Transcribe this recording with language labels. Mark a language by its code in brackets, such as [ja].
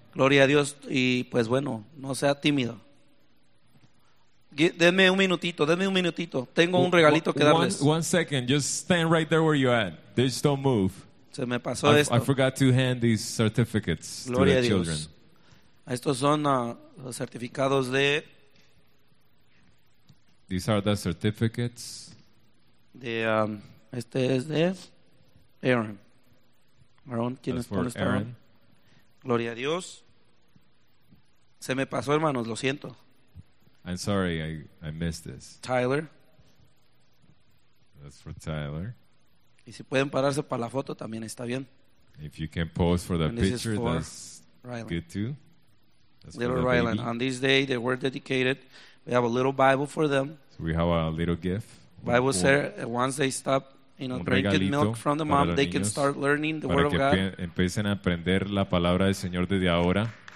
[es] Gloria a Dios, y pues bueno, no sea tímido. Denme un minutito. Tengo un regalito que darles. [en] One second, just stand right there where you're at. Just don't move. [es] Se me pasó esto. [en] I forgot to hand these certificates [es] Gloria [en] to the [es] Dios. [en] Children. [es] Estos son los certificados de... [en] These are the certificates. [es] De, este es de Aaron. Aaron, ¿quién es por este Aaron? Gloria a Dios. Se me pasó, hermanos, lo siento. [en] I'm sorry, I missed this. Tyler. That's for Tyler. [es] Y si pueden pararse para la foto, también está bien. [en] If you can pose for the picture, that's Ryland. Good too. That's little Ryland. Baby. On this day, they were dedicated. We have a little Bible for them. So we have a little gift. Bible said, once they stop, you know, drinking milk from the mom, they can start learning the word of God. [es] Empiecen a aprender la palabra del Señor desde ahora.